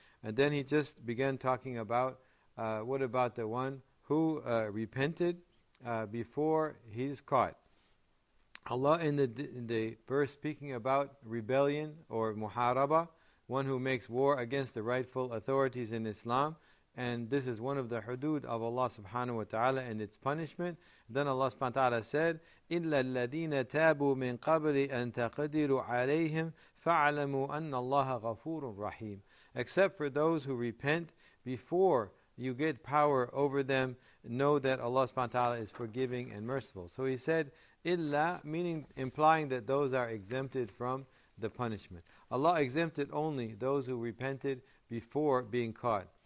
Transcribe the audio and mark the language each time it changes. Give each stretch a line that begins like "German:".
English: And then he just began talking about what about the one who repented before he's caught. Allah in the verse speaking about rebellion or muharaba, one who makes war against the rightful authorities in Islam, and this is one of the hudud of Allah subhanahu wa ta'ala and its punishment. Then Allah subhanahu wa ta'ala said,
Arabic: إِلَّا الَّذِينَ تَابُوا مِن قَبْلِ أَن تَقَدِرُوا عَلَيْهِمْ فَعَلَمُوا أَنَّ اللَّهَ غَفُورٌ رَحِيمٌ.
English: Except for those who repent before you get power over them, know that Allah subhanahu wa ta'ala is forgiving and merciful. So he said, illa, meaning implying that those are exempted from the punishment. Allah exempted only those who repented before being caught.